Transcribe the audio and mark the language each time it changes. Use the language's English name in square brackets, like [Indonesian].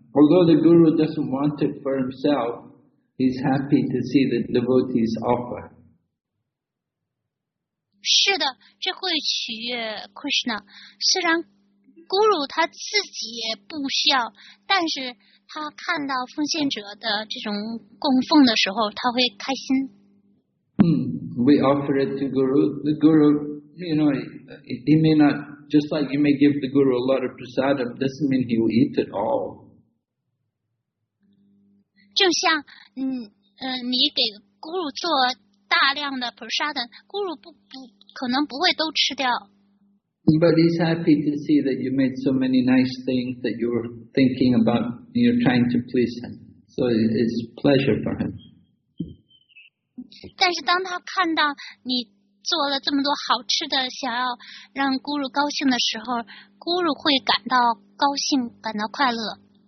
[English] Although the guru doesn't want it for himself, he's happy to see the devotees offer. [Chinese] 是的，这会取悦 Krishna。虽然咕噜他自己也不需要，但是。他看到奉献者的这种供奉的时候，他会开心。 [English] We offer it to Guru. The Guru, you know, he may not, just like you may give the Guru a lot of prasadam, doesn't mean he will eat it all. [Chinese] 就像你给 Guru 做大量的 prasadam, Guru 不可能不会都吃掉。 [English] But he's happy to see that you made so many nice things that you were thinking about, you're trying to please him. So it's a pleasure for him. [Chinese] 但是当他看到你做了这么多好吃的，想要让咕噜高兴的时候，咕噜会感到高兴，感到快乐。